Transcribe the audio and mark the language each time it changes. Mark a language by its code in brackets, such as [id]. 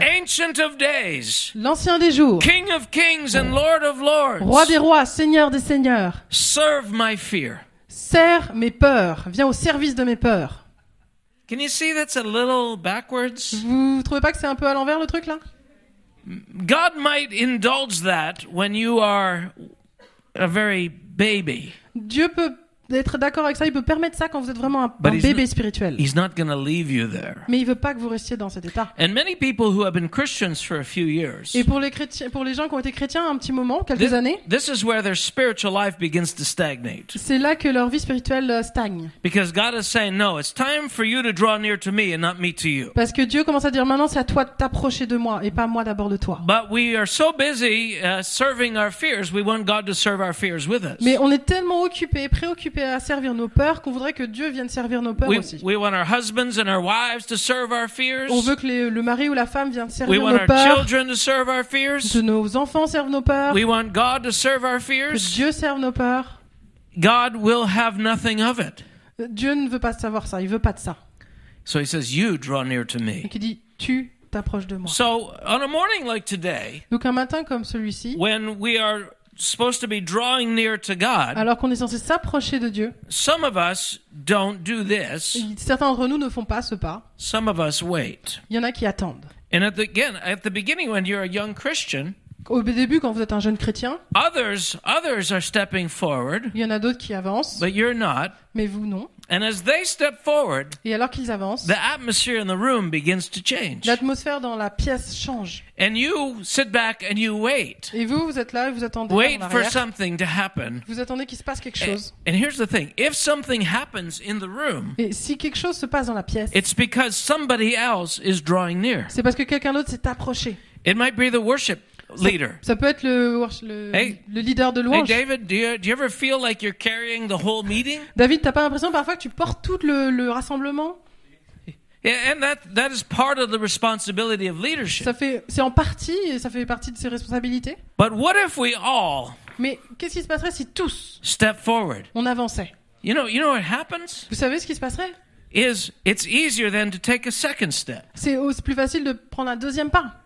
[en] Ancient of days, [fr] l'Ancien des jours, [en] King of kings and Lord of lords, [fr] Roi des rois, Seigneur des seigneurs, [en] serve my fear, [fr] sers mes peurs, viens au service de mes peurs. [en] Can you see that's a little backwards? [fr] Vous trouvez pas que c'est un peu à l'envers le truc là? [en] God might indulge that when you are a very baby. [fr] Dieu peut d'être d'accord avec ça, il peut permettre ça quand vous êtes vraiment un bébé spirituel. [en] He's not gonna leave you there. [fr] Mais il ne veut pas que vous restiez dans cet état. [en] And many people who have been Christians for a few years, [fr] et pour les gens qui ont été chrétiens un petit moment, quelques années, [en] this is where their spiritual life begins to stagnate. [fr] C'est là que leur vie spirituelle stagne. [en] Because God is saying, no, it's time for you to draw near to me and not me to you. [fr] Parce que Dieu commence à dire, maintenant c'est à toi de t'approcher de moi et pas moi d'abord de toi. [en] But we are so busy serving our fears, we want God to serve our fears with us. [fr] Mais on est tellement occupé, préoccupé à servir nos peurs qu'on voudrait que Dieu vienne servir nos peurs aussi. [en] We want our husbands and our wives to serve our fears. [fr] On veut que le mari ou la femme vienne servir [en] we [fr] nos [en] want our [fr] peurs. [en] Children to serve our fears. [fr] Que nos enfants servent nos peurs. [en] We want God to serve our fears. [fr] Que Dieu serve nos peurs. [en] God will have nothing of it. [fr] Dieu ne veut pas savoir ça, il veut pas de ça. [en] So he says, you draw near to me. [fr] Et il dit, tu t'approches de moi. [en] So on a morning like today, [fr] donc un matin comme celui-ci, [en] when we are supposed to be drawing near to God. [fr] Alors qu'on est censé s'approcher de Dieu. [en] Some of us don't do this. [fr] Certains d'entre nous ne font pas ce pas. [en] Some of us wait. [fr] Il y en a qui attendent. [en] And at the beginning when you're a young Christian, [fr] au début quand vous êtes un jeune chrétien, [en] others are stepping forward. [fr] Il y en a d'autres qui avancent. [en] But you're not. [fr] Mais vous non. [en] And as they step forward, [fr] et alors qu'ils avancent, [en] the atmosphere in the room begins to change. [fr] L'atmosphère dans la pièce change. [en] And you sit back and you wait. [fr] Et vous êtes là et vous attendez. [en] Wait for something to happen. [fr] Vous attendez qu'il se passe quelque chose. [en] And here's the thing: if something happens in the room, [fr] et si quelque chose se passe dans la pièce, [en] it's because somebody else is drawing near. [fr] C'est parce que quelqu'un d'autre s'est approché. [en] It might be the worship leader. [fr] Ça peut être le leader de louange. [en] Hey David, do you ever feel like you're carrying the whole meeting? [fr] David, t'as pas l'impression parfois que tu portes tout le rassemblement? [en] Yeah, and that is part of the responsibility of leadership. [fr] Ça fait partie de ses responsabilités. [en] But what if we all? [fr] Mais qu'est-ce qui se passerait si tous? [en] Step forward. [fr] On avançait. [en] You know what happens? [fr] Vous savez ce qui se passerait? [en] Is it's easier than to take a second step. [fr] C'est plus facile de prendre un deuxième pas.